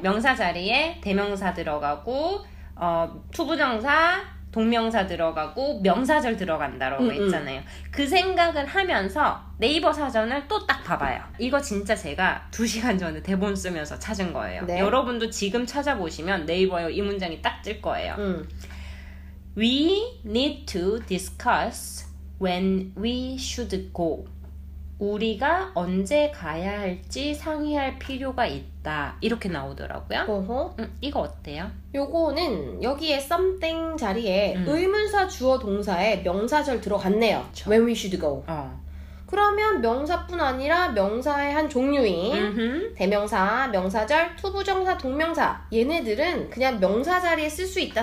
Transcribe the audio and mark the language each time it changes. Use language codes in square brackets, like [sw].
[ko] 명사 자리에 대명사 들어가고 투부정사 동명사 들어가고 명사절 들어간다라고 했잖아요. 그 생각을 하면서 네이버 사전을 또 딱 봐봐요. 이거 진짜 제가 2시간 전에 대본 쓰면서 찾은 거예요. 네. 여러분도 지금 찾아보시면 네이버에 이 문장이 딱 뜰 거예요. [en] We need to discuss when we should go. [ko] 우리가 언제 가야 할지 상의할 필요가 있다. 이렇게 나오더라고요. 어허. 이거 어때요? 요거는 여기에 something 자리에 의문사 주어 동사에 명사절 들어갔네요. 그쵸. [en] When we should go. [ko] 어. 그러면 명사뿐 아니라 명사의 한 종류인 대명사, 명사절, 투부정사, 동명사 얘네들은 그냥 명사 자리에 쓸 수 있다.